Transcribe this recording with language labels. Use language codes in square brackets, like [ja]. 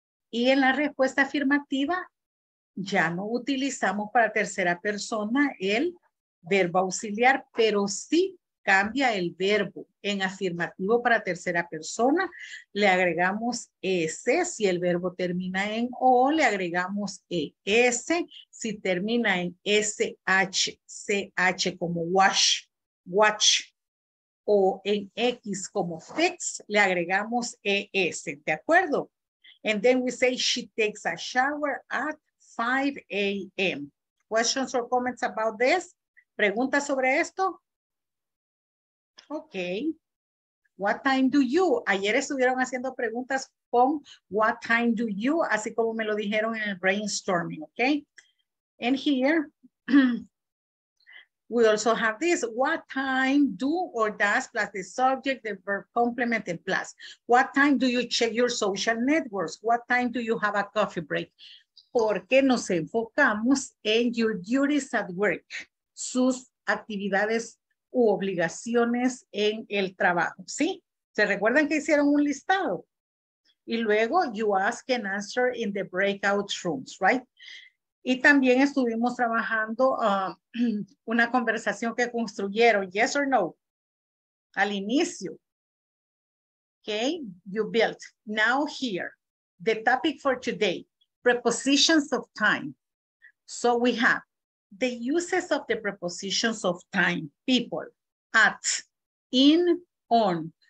[es] Y en la respuesta afirmativa, ya no utilizamos para tercera persona el verbo auxiliar, pero sí cambia el verbo en afirmativo para tercera persona, le agregamos S si el verbo termina en O, le agregamos ES si termina en SH, CH como wash, watch, o en X como fix, le agregamos ES, ¿de acuerdo? [en] And then we say she takes a shower at 5 a.m. Questions or comments about this? [es] ¿Preguntas sobre esto? [en] Okay, what time do you? [es] Ayer estuvieron haciendo preguntas con [en] what time do you, [es] así como me lo dijeron en el brainstorming, okay? [en] And here, we also have this, what time do or does plus the subject, the verb complement and plus. What time do you check your social networks? What time do you have a coffee break? [es] Porque nos enfocamos en [en] your duties at work, [es] sus actividades u obligaciones en el trabajo, ¿sí? ¿Se recuerdan que hicieron un listado? Y luego, [en] you ask and answer in the breakout rooms, right? [es] Y también estuvimos trabajando una conversación que construyeron, [en] yes or no, [es] al inicio. [en] Okay, you built. Now here, the topic for today, prepositions of time. So we have the uses of the prepositions of time, people, at, in, on.